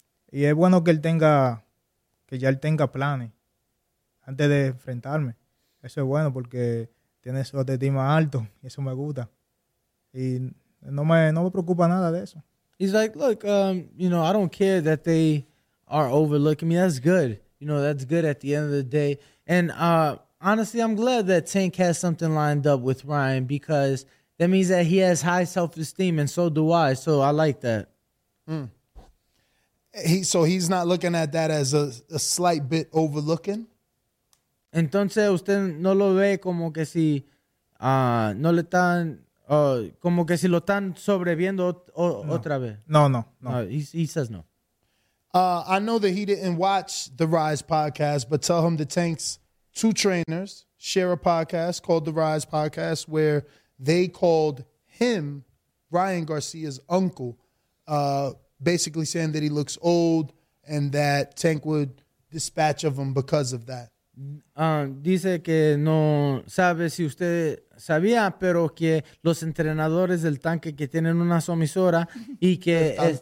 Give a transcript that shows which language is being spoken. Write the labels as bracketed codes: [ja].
[es] Y es bueno que él tenga planes antes de enfrentarme. Eso es bueno porque tiene su autoestima alto y eso me gusta. Y no me preocupa nada de eso. [en] He's like, look, you know, I don't care that they are overlooking me. That's good. You know, that's good at the end of the day. And honestly, I'm glad that Tank has something lined up with Ryan, because that means that he has high self-esteem, and so do I. So I like that. Mm. he's not looking at that as a slight bit overlooking. [es] Entonces usted no lo ve como que si no le están como que si lo están sobreviendo otra vez. No. [en] He says no. I know that he didn't watch the Rise podcast, but tell him the Tank's two trainers share a podcast called the Rise podcast where they called him Ryan Garcia's uncle, basically saying that he looks old and that Tank would dispatch of him because of that. [es] Dice que no sabe si usted sabía, pero que los entrenadores del Tanque que tienen una emisora y que